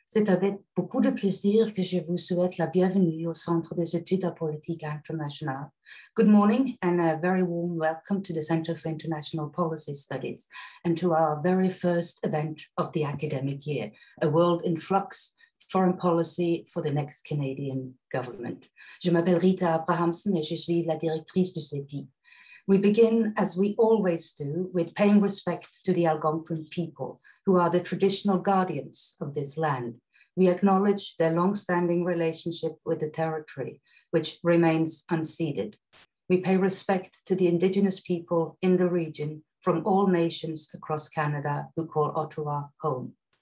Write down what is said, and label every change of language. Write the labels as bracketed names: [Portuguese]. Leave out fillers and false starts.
[French] C'est avec beaucoup de plaisir que je vous souhaite la bienvenue au Centre des études en politique internationale. [English] Good morning and a very warm welcome to the Centre for International Policy Studies and to our very first event of the academic year, A World in Flux, Foreign Policy for the Next Canadian Government. [French] Je m'appelle Rita Abrahamson et je suis la directrice du CIPI. [English] We begin, as we always do, with paying respect to the Algonquin people, who are the traditional guardians of this land. We acknowledge their long-standing relationship with the territory, which remains unceded. We pay respect to the Indigenous people in the region from all nations across Canada who call Ottawa home.